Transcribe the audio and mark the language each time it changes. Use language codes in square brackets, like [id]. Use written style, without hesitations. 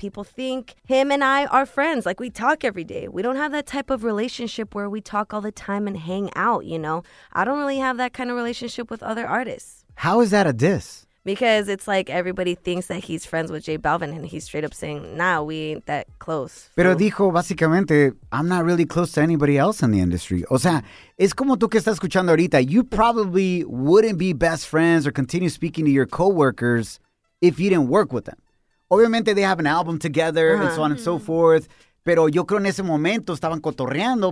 [en] People think him and I are friends. Like, we talk every day. We don't have that type of relationship where we talk all the time and hang out, you know? I don't really have that kind of relationship with other artists." How is that a diss? Because it's like everybody thinks that he's friends with J Balvin, and he's straight up saying, nah, we ain't that close. [es] Pero dijo, básicamente, [en] I'm not really close to anybody else in the industry. [es] O sea, es como tú que estás escuchando ahorita. [en] You probably wouldn't be best friends or continue speaking to your coworkers if you didn't work with them. Obviamente, they have an album together, uh-huh, and so on and so forth. [es] Pero yo creo en ese momento estaban cotorreando.